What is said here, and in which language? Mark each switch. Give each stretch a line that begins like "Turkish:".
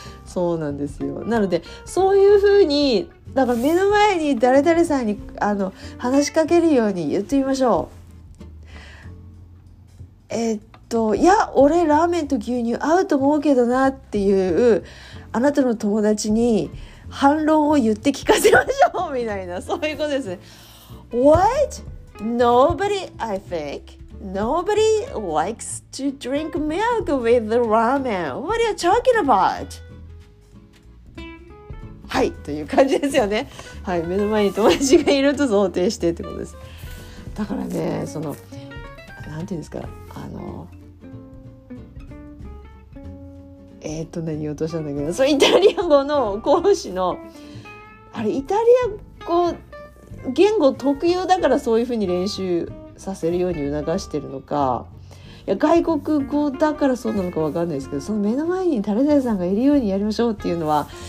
Japanese: そうなんですよ、なのでそういう風にだから目の前に誰々さんに話しかけるように言ってみましょう。いや俺ラーメンと牛乳合うと思うけどなっていうあなたの友達に反論を言って聞かせましょうみたいな、そういうことですね。
English: What? Nobody, I think Nobody likes to drink milk with the ramen. What are you talking about?
Japanese: はいという感じですよね。はい、目の前に友達がいると想定してってことです。だからね、そのなんていうんですか、何言おうとしたんだけど、そうイタリア語の講師のあれイタリア語言語特有だからそういう風に練習させるように促してるのか、いや外国語だからそうなのか分かんないですけど、その目の前に誰々さんがいるようにやりましょうっていうのは